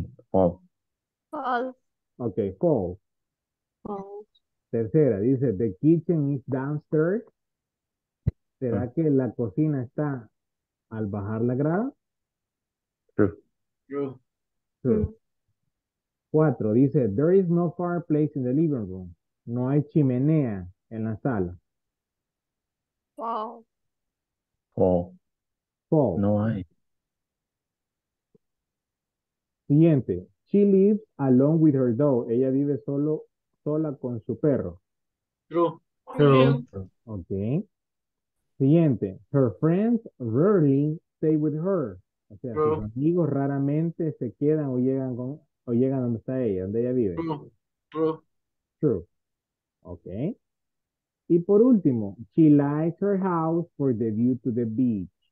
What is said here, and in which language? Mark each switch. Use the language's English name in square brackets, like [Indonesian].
[English] False. False. Okay, false. False. [Spanish] Tercera, dice, [English] the kitchen is downstairs. [Spanish] ¿Será que la cocina está al bajar la grada? [English] True. [Spanish] Cuatro, dice, [English] there is no fireplace in the living room. [Spanish] No hay chimenea en la sala. [English] False. [Spanish] No hay. Siguiente. [English] She lives alone with her dog. [Spanish] Ella vive solo, sola con su perro. [English] True. Ok. [Spanish] Siguiente. [English] Her friends rarely stay with her. [Spanish] O sea, sus amigos raramente se quedan o llegan con, o llegan donde está ella, donde ella vive. [English] True. Ok. [Spanish] Y por último, [English] she likes her house for the view to the beach.